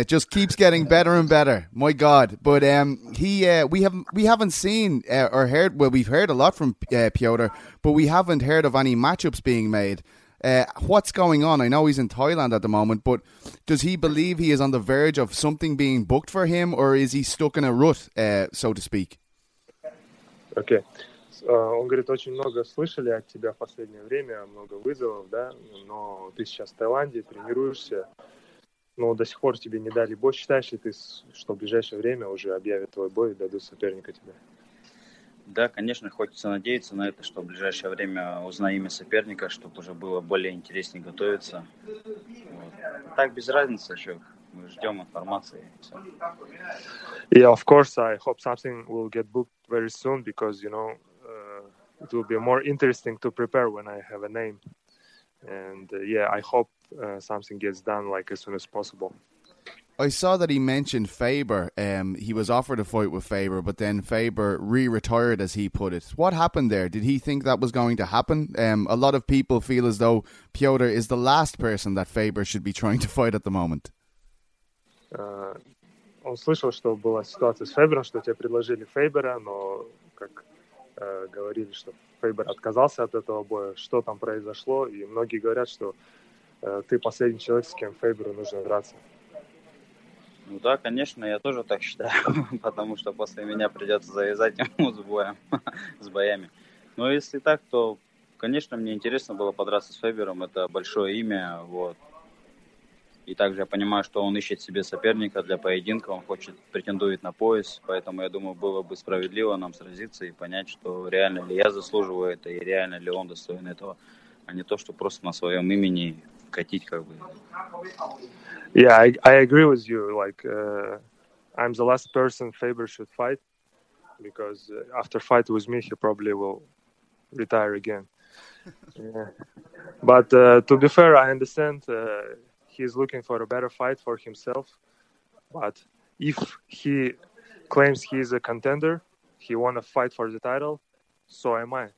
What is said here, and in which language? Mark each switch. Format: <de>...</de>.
<en>It just keeps getting better and better. My God. But we haven't seen or heard, well, we've heard a lot from Piotr, but we haven't heard of any matchups being made. What's going on? I know he's in Thailand at the moment, but does he believe he is on the verge of something being booked for him, or is he stuck in a rut, so to speak? Okay.</en> <ru>Он говорит, очень много слышали от тебя в последнее время, много вызовов, да, но ты сейчас в Таиланде, тренируешься, но до сих пор тебе не дали бой. Считаешь ли ты, что в ближайшее время уже объявят твой бой и дадут соперника тебе? Да, конечно, хочется надеяться на это, что в ближайшее время узнаю имя соперника, чтобы уже было более интереснее готовиться. Вот. Так, без разницы еще. Мы ждем информации. Все.</ru> <en>Yeah, of course, I hope something will get booked very soon, because, you know, it will be more interesting to prepare when I have a name. And yeah, I hope something gets done like as soon as possible. I saw that he mentioned Faber. He was offered a fight with Faber, but then Faber re-retired, as he put it. What happened there? Did he think that was going to happen? A lot of people feel as though Piotr is the last person that Faber should be trying to fight at the moment.</en> <ru>Он слышал, что была ситуация с Фейбером, что тебе предложили Фейбера, но как говорили, что Фейбер отказался от этого боя, что там произошло, и многие говорят, что ты последний человек, с кем Фейберу нужно драться. Ну да, конечно, я тоже так считаю, потому что после меня придется завязать ему с боем, с боями. Но если так, то, конечно, мне интересно было подраться с Фейбером, это большое имя, вот. И также я понимаю, что он ищет себе соперника для поединка, он хочет претендовать на пояс, поэтому я думаю, было бы справедливо нам сразиться и понять, что реально ли я заслуживаю это и реально ли он достоин этого, а не то, что просто на своем имени катить как бы.</ru> <en>Yeah, I agree with you. Like, I'm the last person Faber should fight, because after fight with me, he probably will retire again. Yeah. But to be fair, I understand. He's looking for a better fight for himself, but if he claims he is a contender, he want to fight for the title, so am I.</en>